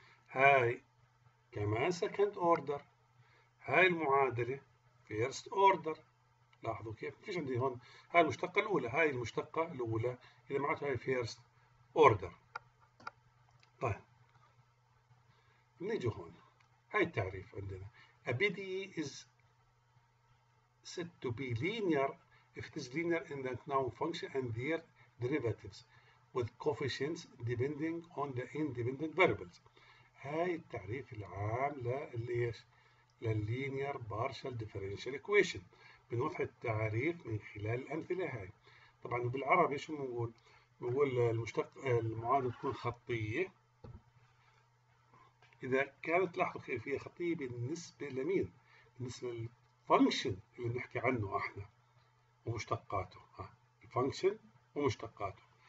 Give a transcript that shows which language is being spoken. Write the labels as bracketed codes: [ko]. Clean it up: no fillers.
[ar] هاي كمان سكند اوردر، هاي المعادله فيرست اوردر. لاحظوا كيف؟ ما فيش عندي هون هاي المشتقه الاولى، هاي المشتقه الاولى اذا معناتها هاي فيرست اوردر. طيب نيجي هون، هاي التعريف عندنا. [en] A BDE is said to be linear if it is linear in the known function and their derivatives with coefficients depending on the independent variables. [ar] هاي التعريف العام لليش؟ لللينير بارشال ديفرنشال ايكويشن. بنوضح التعريف من خلال الأمثلة هاي. طبعا بالعربي شو بنقول؟ بنقول المشتق المعادلة تكون خطية إذا كانت، لاحظوا كيف هي خطية بالنسبة لمين؟ بالنسبة للفانكشن اللي بنحكي عنه احنا ومشتقاته، ها الفانكشن ومشتقاته.